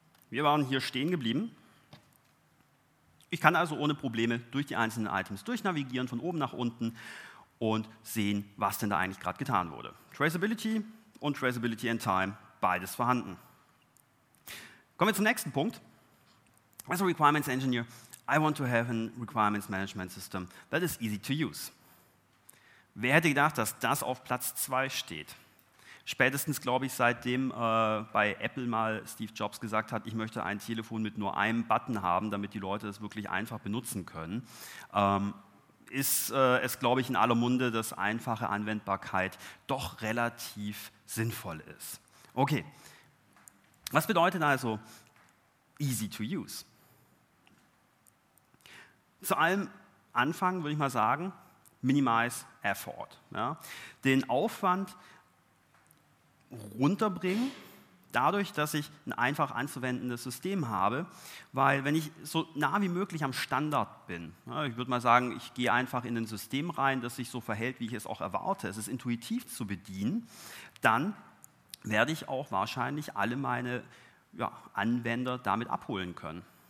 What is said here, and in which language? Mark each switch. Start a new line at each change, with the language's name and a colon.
German: Wir waren hier stehen geblieben. Ich kann also ohne Probleme durch die einzelnen Items durchnavigieren, von oben nach unten und sehen, was denn da eigentlich gerade getan wurde. Traceability und Traceability in Time. Beides vorhanden. Kommen wir zum nächsten Punkt.
English: As a Requirements Engineer, I want to have a Requirements Management System that is easy to use.
German: Wer hätte gedacht, dass das auf Platz 2 steht? Spätestens, glaube ich, seitdem bei Apple mal Steve Jobs gesagt hat, ich möchte ein Telefon mit nur einem Button haben, damit die Leute es wirklich einfach benutzen können, ist es, glaube ich, in aller Munde, dass einfache Anwendbarkeit doch relativ sinnvoll ist. Okay, was bedeutet also easy to use? Zu allem anfangen, würde ich mal sagen,
English: minimize effort.
German: Ja? Den Aufwand runterbringen, dadurch, dass ich ein einfach anzuwendendes System habe, weil wenn ich so nah wie möglich am Standard bin, ja, ich würde mal sagen, ich gehe einfach in ein System rein, das sich so verhält, wie ich es auch erwarte, es ist intuitiv zu bedienen, dann werde ich auch wahrscheinlich alle meine Anwender damit abholen können.